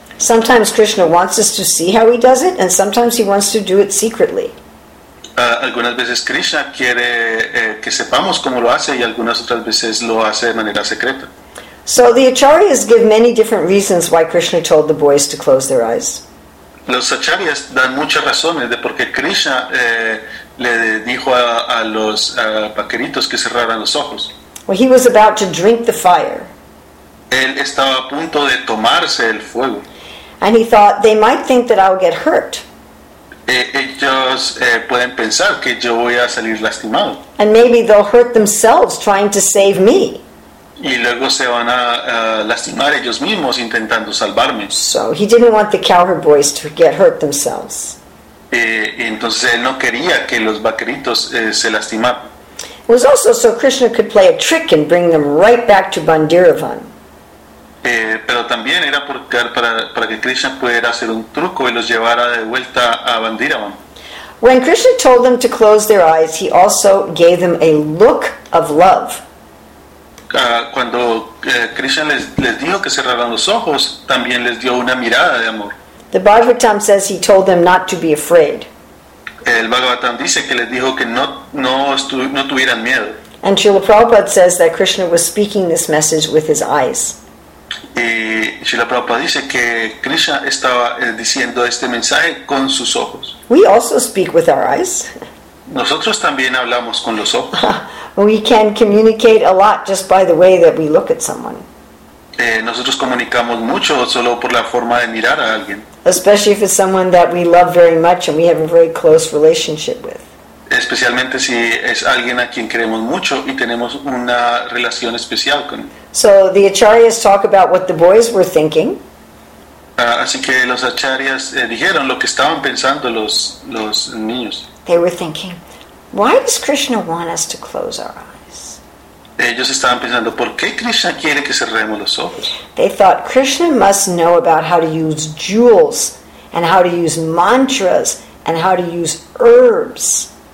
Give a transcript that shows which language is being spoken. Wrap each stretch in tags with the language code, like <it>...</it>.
<en>Sometimes Krishna wants us to see how he does it, and sometimes he wants to do it secretly.</en> <es>Algunas veces Krishna quiere que sepamos cómo lo hace y algunas otras veces lo hace de manera secreta.</es> <en>So the acharyas give many different reasons why Krishna told the boys to close their eyes.</en> <es>Los acharyas dan muchas razones de por qué Krishna le dijo a los vaqueritos que cerraran los ojos.</es> <en>Well, he was about to drink the fire.</en> <es>Él estaba a punto de tomarse el fuego.</es> <en>And he thought they might think that I'll get hurt.</en> <es>Ellos pueden pensar que yo voy a salir lastimado.</es> <en>And maybe they'll hurt themselves trying to save me.</en> <es>Y luego se van a lastimar ellos mismos intentando salvarme.</es> <en>So he didn't want the cowherd boys to get hurt themselves.</en> <es>Entonces él no quería que los vaqueritos se lastimaran.</es> <en>It was also so Krishna could play a trick and bring them right back to Bandiravan.</en> <es>Pero también era para que Krishna pudiera hacer un truco y los llevara de vuelta a Bandiravan.</es> <en>When Krishna told them to close their eyes, he also gave them a look of love.</en> <es>Cuando Krishna les dijo que cerraran los ojos, también les dio una mirada de amor.</es> <en>The Bhagavatam says he told them not to be afraid.</en> <es>El Bhagavatam dice que les dijo que no tuvieran miedo.</es> <en>And Srila Prabhupada says that Krishna was speaking this message with his eyes.</en> <es>Y Srila Prabhupada dice que Krishna estaba diciendo este mensaje con sus ojos.</es> <en>We also speak with our eyes.</en> <es>Nosotros también hablamos con los ojos.</es> <en>We can communicate a lot just by the way that we look at someone.</en> <es>Nosotros comunicamos mucho solo por la forma de mirar a alguien.</es> <en>Especially if it's someone that we love very much and we have a very close relationship with.</en> <es>Especialmente si es alguien a quien queremos mucho y tenemos una relación especial con.</es> <en>So the acharyas talk about what the boys were thinking.</en> <es>Así que los acharyas dijeron lo que estaban pensando los niños.</es> <en>They were thinking, why does Krishna want us to close our eyes?</en> <es>Ellos estaban pensando, ¿por qué Krishna quiere que cerremos los ojos?</es> <en>They thought Krishna must know about how to use jewels and how to use mantras and how to use herbs.</en>